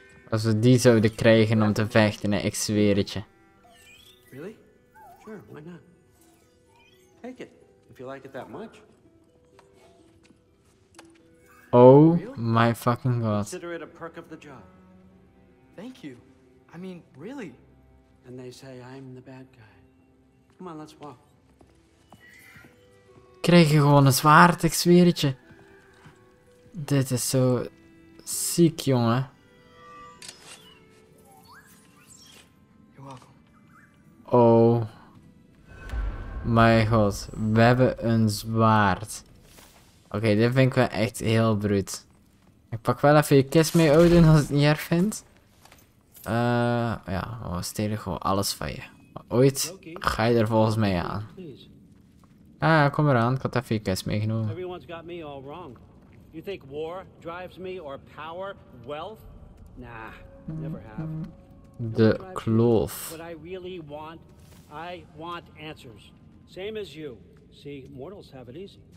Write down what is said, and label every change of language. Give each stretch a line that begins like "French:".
Dutch: Als we die zouden krijgen om te vechten, hè, ik zweer het je.
English: Really? Sure, why not? Take it, if you like it that much. Oh my fucking god. Consider it a perk of the job. Thank you. I mean, really? And they say I'm the bad guy. Come on, let's walk.
Dutch: Krijg je gewoon een zwaard, ik zweer het je. Dit is zo ziek, jongen. Oh my god, we hebben een zwaard. Oké, dit vind ik wel echt heel bruut. Ik pak wel even je kist mee, Odin, als het niet erg vindt. Ja, we stelen gewoon alles van je. Ooit ga je er volgens mij aan. Ah, kom eraan, ik had even je kist meegenomen. Everyone's got me all wrong.
English: You think war drives me or power, wealth? Nah, never have. De kloof. What I really want, I want answers. Same as you. See, mortals have it easy.